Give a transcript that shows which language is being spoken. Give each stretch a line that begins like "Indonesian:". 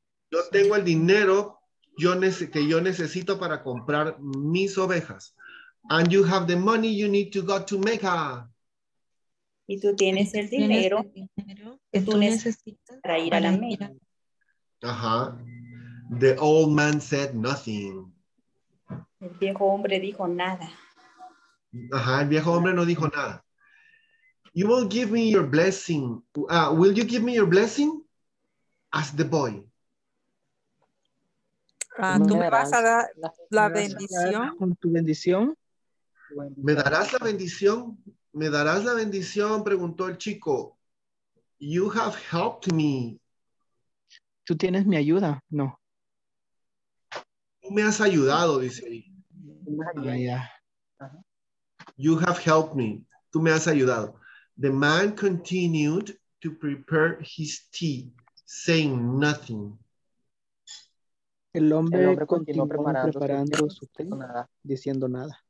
Spanish: Yo tengo el dinero que yo necesito para comprar mis ovejas.
English: And you have the money you need to go to Mecca.
Spanish: Y tú tienes el dinero que tú necesitas para ir a la Mecca.
English: Ajá. The old man said nothing.
Spanish: El viejo hombre dijo nada. Ajá, el viejo hombre no dijo nada.
English: You will give me your blessing. Will you give me your blessing? Asked the boy.
Spanish: ¿Tú me vas a dar la bendición? ¿Con tu bendición? ¿Me darás la bendición? ¿Me darás la bendición? Preguntó el chico.
English: You have helped me.
Spanish: ¿Tú tienes mi ayuda? No. Tú me has ayudado, dice ahí.
English: You have helped me.
Spanish: Tú me has ayudado.
English: The man continued to prepare his tea, saying nothing.
Spanish: El hombre continuó preparando su té, diciendo nada.